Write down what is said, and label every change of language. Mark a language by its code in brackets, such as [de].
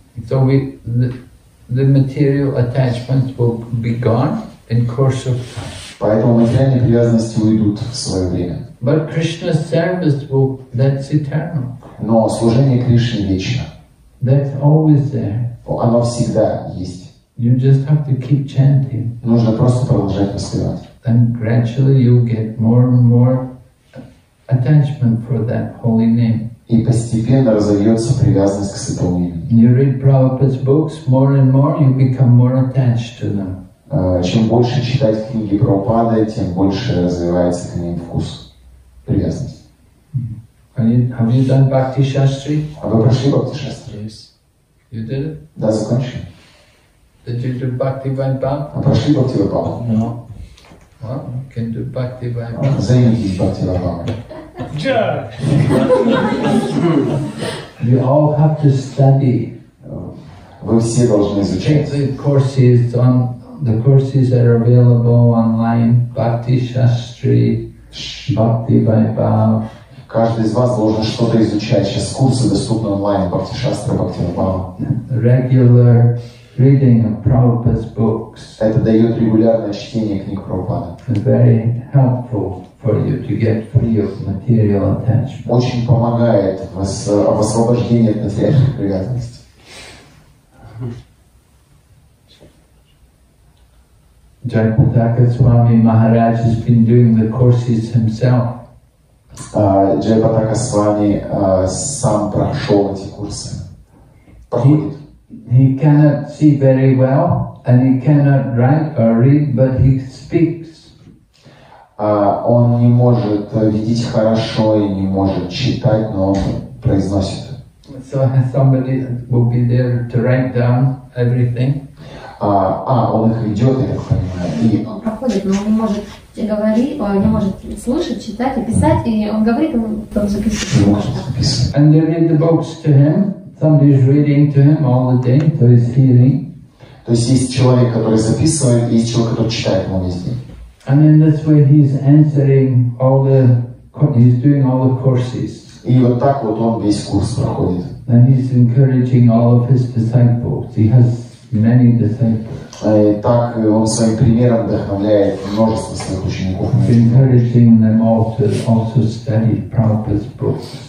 [en] So the material attachments will be gone in course of time. [ru] Поэтому материальные привязанности уйдут в свое время. [en] But Krishna's service that's eternal. [ru] Но служение Кришне вечно. [en] That's always there. [ru] Оно всегда есть. [en] You just have to keep chanting. [ru] Нужно просто продолжать воспевать. [en] And gradually you get more and more attachment for that holy name. [ru] И постепенно разовьется привязанность к святому имени. [en] You read Prabhupada's books more and more, you become more attached to them. [ru] Чем больше читать книги Прабхупады, тем больше развивается к ним вкус привязанности. [en] Have you done Bhakti Shastri? [ru] А вы прошли Bhakti Shastri? [en] Yes. You did it? [ru] Да, закончили. [en] Did you do Bhakti Vaibhava? [ru] Прошли Бхакти Вайбхава? [en] No. Well, you can do Bhakti Vaibhava. [ru] Займитесь Бхакти Вайбхава. [en] You all have to study. [ru] Вы все должны изучать. [en] The courses are available online. Bhakti Shastri, Bhakti Vaibhava. [ru] Каждый из вас должен что-то изучать. Сейчас курсы доступны онлайн. Бхакти Шастри, Бхакти Вайбхава. [en] Regular reading of Prabhupada's books. [ru] Это дает регулярное чтение книг Прабхупады. [en] It's very helpful for you to get free of material attachment. [ru] Очень помогает в освобождении от материальных привязанностей. [en] Jayapataka Swami Maharaj has been doing the courses himself. [ru] Jayapataka Swami сам прошел эти курсы. Проходит. [en] He cannot see very well, and he cannot write or read, but he speaks. [ru] Он не может видеть хорошо и не может читать, но он произносит. [en] so somebody will be there to write down everything. [ru] Он их ведет, я так понимаю. Он проходит, но он не может говорить, он не может слушать, читать, писать, и он говорит, он там записывает. [en] And they read the books to him. Somebody is reading to him all the day, so he's hearing. [ru] То есть есть человек, который записывает, и есть человек, который читает ему весь день. [en] And in this way he's answering all the, he's doing all the courses. [ru] И вот так вот он весь курс проходит. [en] And he's encouraging all of his disciples. He has many disciples. [ru] И так он своим примером вдохновляет множество своих учеников. [en] He's encouraging them all to also study Prabhupada's books.